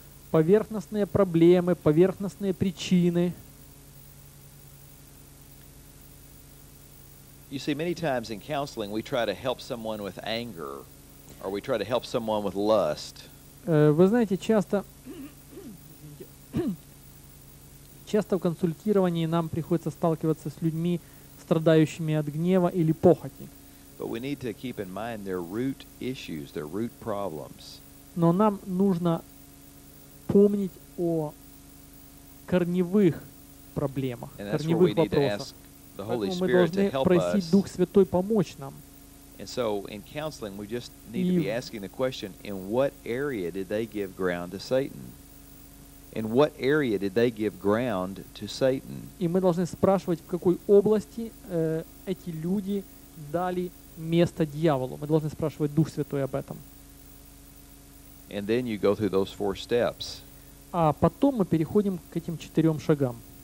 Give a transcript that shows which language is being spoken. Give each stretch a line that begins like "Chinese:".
Russian: Поверхностные проблемы, поверхностные причины.
English: You see, many times in counseling we try to help someone with anger, or we try to help someone with lust.
Russian: Вы знаете, часто в консультировании нам приходится сталкиваться с людьми, страдающими от гнева или похоти.
English: But we need to keep in mind their root issues, their root problems.
Russian: Но нам нужно помнить о корневых проблемах, корневых вопросах. Поэтому мы должны просить Дух Святой помочь нам.
English: And so in counseling we just need to be asking the question, in what area did they give ground to Satan? In what area did they give ground to Satan?
Russian: И мы должны спрашивать, в какой области эти люди дали место дьяволу. Мы должны спрашивать Дух Святой об этом.
English: And then you go through those four steps.
Russian: А потом мы переходим к этим четырем шагам.